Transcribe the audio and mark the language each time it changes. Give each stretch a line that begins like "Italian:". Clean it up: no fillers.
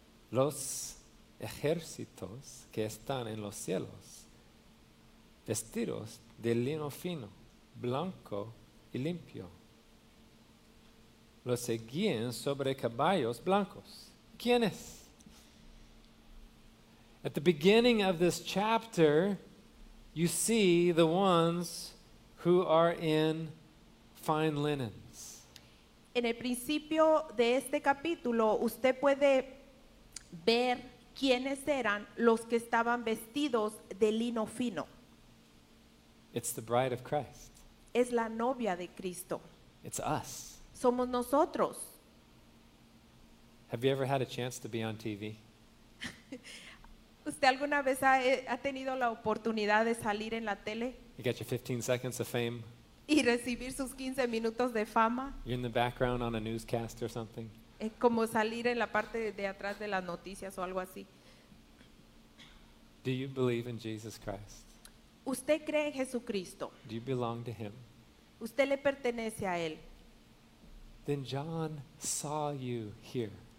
Spanish: Los ejércitos que están en los cielos, vestidos de lino fino, blanco y limpio, los seguían sobre caballos blancos. ¿Quién es?
English: At the beginning of this chapter, you see the ones who are in fine linens.
Spanish: En el principio de este capítulo, usted puede ver quiénes eran los que estaban vestidos de lino fino.
English: It's the bride of Christ.
Spanish: Es la novia de Cristo.
English: It's us.
Spanish: Somos nosotros.
English: Have you ever had a chance to be on TV?
Spanish: ¿Usted alguna vez ha tenido la oportunidad de salir en la tele?
English: You get your 15 seconds of fame.
Spanish: Y recibir sus 15 minutos de fama.
English: You're in the background on a newscast or something.
Spanish: Es como salir en la parte de atrás de las noticias o algo así.
English: Do you believe in Jesus Christ?
Spanish: ¿Usted cree en Jesucristo?
English: Do you belong to him?
Spanish: ¿Usted le pertenece a él?
English: Then John saw you here.